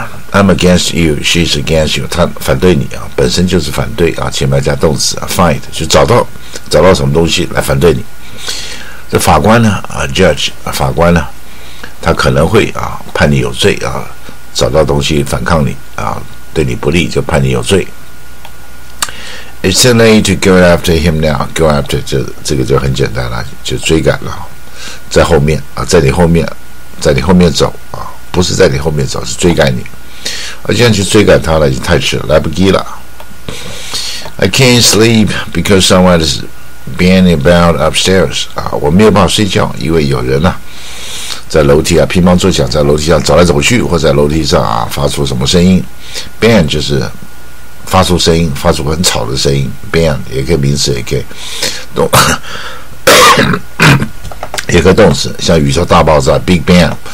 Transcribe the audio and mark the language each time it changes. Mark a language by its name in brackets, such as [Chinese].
[English] I'm against you, she's against you, [Chinese] 她反对你啊，本身就是反对啊，前面加动词啊 ，find 就找到什么东西来反对你。这法官呢啊 ，judge 啊，法官呢，他可能会啊判你有罪啊，找到东西反抗你啊，对你不利就判你有罪。 [English] It's too late to go after him now. Go after [Chinese] 就这个就很简单了，就追赶了，在后面啊，在你后面，在你后面走啊，不是在你后面走，是追赶你。我现在去追赶他了，已经太迟了，来不及了。 [English] I can't sleep because someone is being about upstairs. [Chinese] 啊，我没有办法睡觉，因为有人呐、啊，在楼梯啊乒乓作响，在楼梯上走来走去，或在楼梯上啊发出什么声音。 Bang 就是发出声音，发出很吵的声音。 Bang 也可以名词，也可以动，也可以动词，像宇宙大爆炸 Big Bang。